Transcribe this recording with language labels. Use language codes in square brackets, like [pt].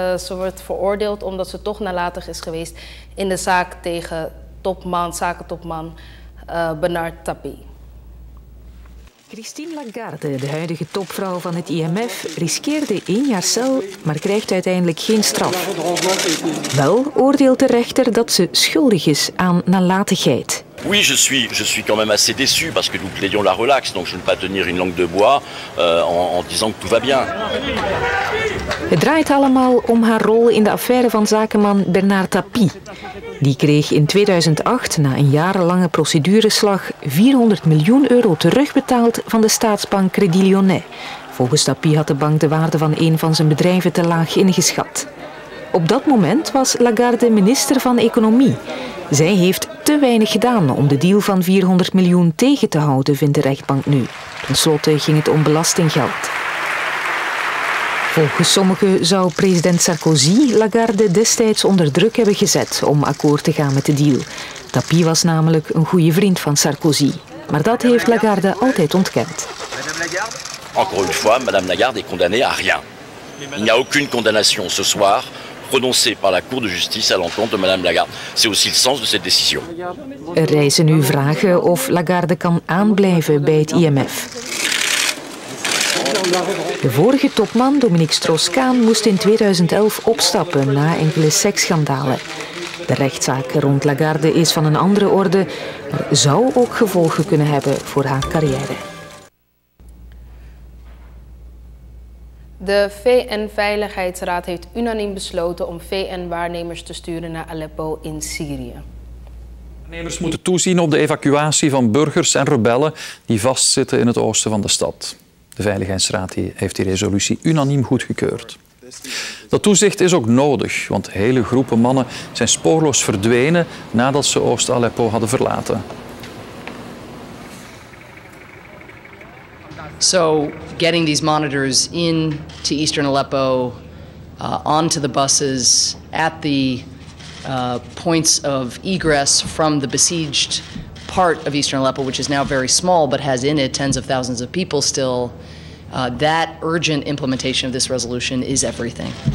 [nl] Ze wordt veroordeeld omdat ze toch nalatig is geweest in de zaak tegen zakentopman Bernard Tapie. Christine Lagarde, de huidige topvrouw van het IMF, riskeerde 1 jaar cel, maar krijgt uiteindelijk geen straf. Wel oordeelt de rechter dat ze schuldig is aan nalatigheid. [fr] Oui, je suis quand même assez déçu parce que nous plaidions la relaxe, donc je ne peux pas tenir une langue de bois en disant que tout va bien. [nl] Het draait allemaal om haar rol in de affaire van zakenman Bernard Tapie. Die kreeg in 2008, na een jarenlange procedureslag, 400 miljoen euro terugbetaald van de staatsbank Crédit Lyonnais. Volgens Tapie had de bank de waarde van een van zijn bedrijven te laag ingeschat. Op dat moment was Lagarde minister van Economie. Zij heeft te weinig gedaan om de deal van 400 miljoen tegen te houden, vindt de rechtbank nu. Ten slotte ging het om belastinggeld. Volgens sommigen zou president Sarkozy Lagarde destijds onder druk hebben gezet om akkoord te gaan met de deal. Tapie was namelijk een goede vriend van Sarkozy. Maar dat heeft Lagarde altijd ontkend. [fr] Encore une fois, madame Lagarde est condamnée à rien. Il n'y a aucune condamnation ce soir prononcée par la Cour de justice à l'encontre de madame Lagarde. C'est aussi le sens de cette décision. [nl] Er rijzen nu vragen of Lagarde kan aanblijven bij het IMF. De vorige topman, Dominique Strauss-Kahn, moest in 2011 opstappen na enkele seksschandalen. De rechtszaak rond Lagarde is van een andere orde, maar zou ook gevolgen kunnen hebben voor haar carrière. De VN-veiligheidsraad heeft unaniem besloten om VN-waarnemers te sturen naar Aleppo in Syrië. Waarnemers moeten toezien op de evacuatie van burgers en rebellen die vastzitten in het oosten van de stad. De Veiligheidsraad heeft die resolutie unaniem goedgekeurd. Dat toezicht is ook nodig, want hele groepen mannen zijn spoorloos verdwenen nadat ze Oost-Aleppo hadden verlaten. [en] So getting these monitors in to Eastern Aleppo, onto the buses, at the points of egress from the besieged part of Eastern Aleppo, which is now very small but has in it tens of thousands of people still, that urgent implementation of this resolution is everything.